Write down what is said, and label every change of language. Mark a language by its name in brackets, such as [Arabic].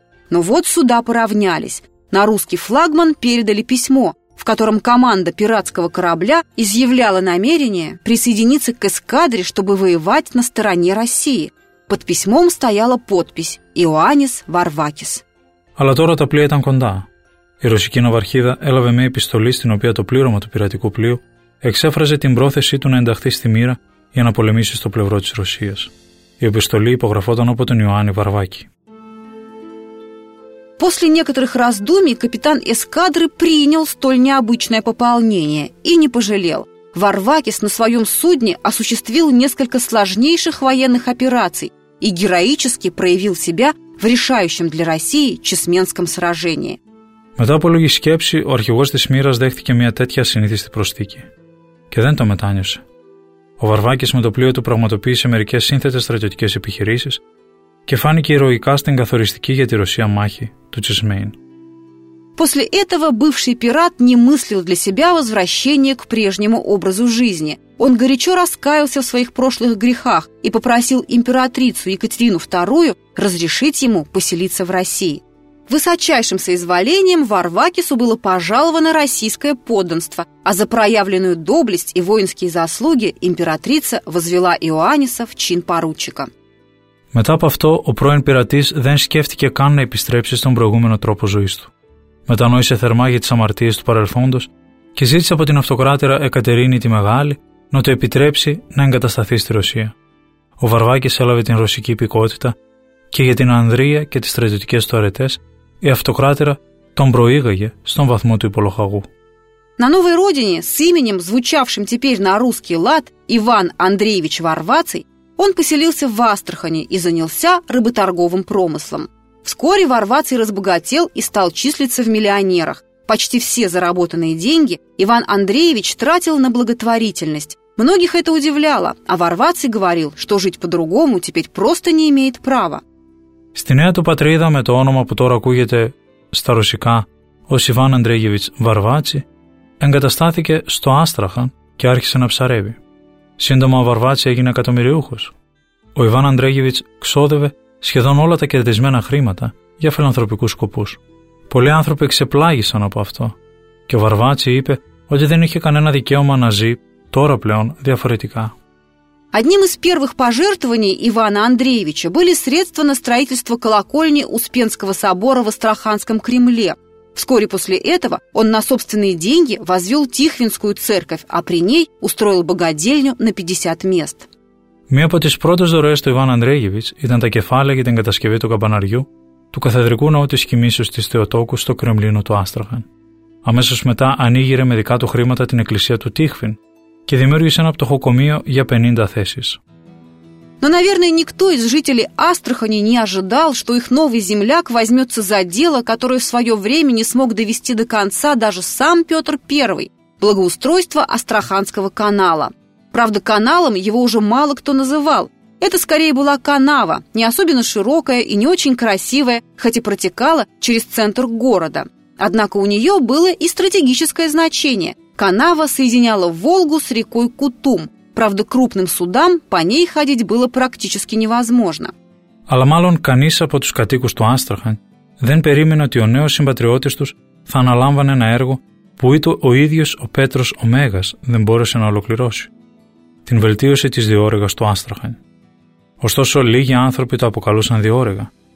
[Russian] Но вот суда поравнялись. На русский флагман передали письмо, в котором команда пиратского корабля изъявляла намерение присоединиться к эскадре, чтобы воевать на стороне России. Под письмом стояла подпись «Иоаннис Варвакис». [Greek] Αλλά τώρα τα πλοία ήταν κοντά. Η ρωσική ναυαρχίδα έλαβε μια επιστολή στην οποία το πλήρωμα του πειρατικού πλοίου εξέφραζε την πρόθεσή του να ενταχθεί στη μοίρα για να πολεμήσει στο πλευρό της Ρωσίας. Η επιστολή υπογραφόταν από τον Ιωάννη Βαρβάκη. [Russian] После некоторых раздумий капитан эскадры принял столь необычное пополнение и не пожалел. Варвакис на своем судне осуществил несколько сложнейших военных операций и героически проявил себя в решающем для России Чесменском сражении. [Greek] Μετά από λίγη σκέψη, ο αρχηγός της μοίρας δέχτηκε μια τέτοια ασυνήθιστη προσθήκη. Και δεν το μετάνιωσε. Ο Βαρβάκης με το πλοίο του πραγματοποίησε μερικές σύνθετες στρατιωτικές επιχειρήσεις και φάνηκε ηρωικά στην καθοριστική για τη Ρωσία μάχη του Чесмейн. [Russian] После этого бывший пират не мыслил для себя возвращения к прежнему образу жизни. Он горячо раскаялся в своих прошлых грехах и попросил императрицу Екатерину II разрешить ему поселиться в России. Высочайшим соизволением Варвакису было пожаловано российское подданство, а за проявленную доблесть и воинские заслуги императрица возвела Иоанниса в чин поручика. [Greek] Μετά από αυτό, ο πρώην πειρατής δεν σκέφτηκε καν να επιστρέψει στον προηγούμενο τρόπο ζωής του. Μετανόησε θερμά για τις αμαρτίες του παρελθόντος και ζήτησε από την αυτοκράτερα Εκατερίνη τη Μεγάλη να το επιτρέψει να εγκατασταθεί στη Ρωσία. Ο Βαρβάκης έλαβε την ρωσική υπηκότητα και για την Ανδρεία και τις στρατιωτικές του αρετές, η αυτοκράτερα τον προήγαγε στον βαθμό του υπολοχαγού. [Russian] На новой родине, с именем, звучавшим теперь на русский лад, Иван Андреевич Варвацый, он поселился в Астрахани и занялся рыботорговым промыслом. Вскоре Варвацый разбогател и стал числиться в миллионерах. Почти все заработанные деньги Иван Андреевич тратил на благотворительность. Многих это удивляло, а Варвацый говорил, что жить по-другому теперь просто не имеет права. [Greek] Στην νέα του πατρίδα με το όνομα που τώρα ακούγεται στα ρωσικά ως Ιβάν Αντρέγεβιτς Βαρβάτσι, εγκαταστάθηκε στο Άστραχαν και άρχισε να ψαρεύει. Σύντομα ο Βαρβάτσι έγινε εκατομμυριούχος. Ο Ιβάν Αντρέγεβιτς ξόδευε σχεδόν όλα τα κερδισμένα χρήματα για φιλανθρωπικούς σκοπούς. Πολλοί άνθρωποι ξεπλάγησαν από αυτό και ο Βαρβάτσι είπε ότι δεν είχε κανένα δικαίωμα να ζει τώρα πλέον διαφορετικά. [Russian] Одним из первых пожертвований Ивана Андреевича были средства на строительство колокольни Успенского собора в Астраханском Кремле. Вскоре после этого он на собственные деньги возвел Тихвинскую церковь, а при ней устроил богадельню на 50 мест. [Greek] Мия από τις πρώτες δωρές του Ιβάν Андреевич ήταν τα κεφάλαια για την κατασκευή του καμπαναριού του καθεδρικού ναού της κοιμήσεως της Θεοτόκου στο Κρεμλίνο του Άστραχαν. Αμέσως μετά ανοίγειρε με δικά του χρήματα την εκκλησία του Τίχβιν και δημιούργησε ένα πτωχοκομείο για 50 θέσεις. [Russian] Но, наверное, никто из жителей Астрахани не ожидал, что их новый земляк возьмется за дело, которое в свое время не смог довести до конца даже сам Петр I – благоустройство Астраханского канала. Правда, каналом его уже мало кто называл. Это скорее была канава, не особенно широкая и не очень красивая, хоть и протекала через центр города. Однако у нее было и стратегическое значение – канава соединяла Волгу с рекой Кутум. Правда, крупным судам по ней ходить было практически невозможно. [Greek] Αλλά μάλλον κανείς από τους κατοίκους του Άστραχαν δεν περίμενε ότι ο νέος συμπατριώτης τους θα αναλάμβανε ένα έργο που ούτε ο ίδιος ο Πέτρος ο Μέγας δεν μπόρεσε να ολοκληρώσει. Την βελτίωση της διόρυγας του Άστραχαν. Ωστόσο, λίγοι άνθρωποι το αποκαλούσαν διόρυγα.